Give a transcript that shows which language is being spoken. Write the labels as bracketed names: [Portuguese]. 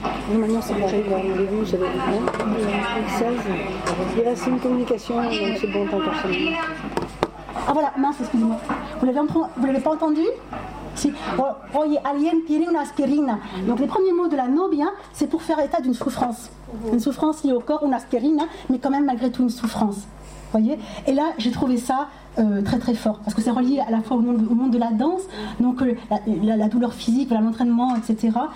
[French] Normalement, c'est pareil, au début, j'avais le droit. Il y a assez une communication, donc c'est bon, tant pour ça. Ah voilà, mince, excusez-moi. Vous l'avez pas entendu? Si. [Spanish] Oye, alguien tiene una aspirina. [French] Donc, les premiers mots de la nobia, hein, c'est pour faire état d'une souffrance. Une souffrance liée au corps, une aspirina, mais quand même, malgré tout, une souffrance. Voyez. Et là, j'ai trouvé ça très très fort, parce que c'est relié à la fois au monde de la danse, donc la douleur physique, l'entraînement, etc.